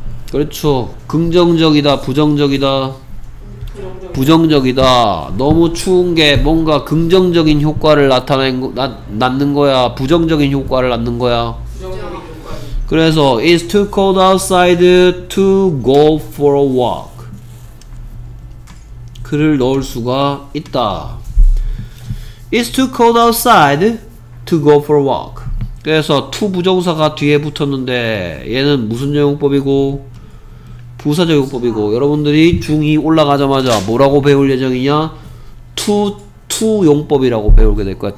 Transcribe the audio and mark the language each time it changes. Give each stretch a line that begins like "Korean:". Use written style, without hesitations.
Korean: 그렇죠. 긍정적이다, 부정적이다. 부정적이다. 너무 추운 게 뭔가 긍정적인 효과를 낳는 거야. 부정적인 효과를 낳는 거야. 그래서
English: it's too cold outside to go for a walk.
Korean: 글을 넣을 수가 있다.
English: It's too cold outside to go for a walk.
Korean: 그래서 to 부정사가 뒤에 붙었는데 얘는 무슨 적용법이고 부사적 용법이고 여러분들이 중2 올라가자마자 뭐라고 배울 예정이냐? to 용법이라고 배우게 될 거야.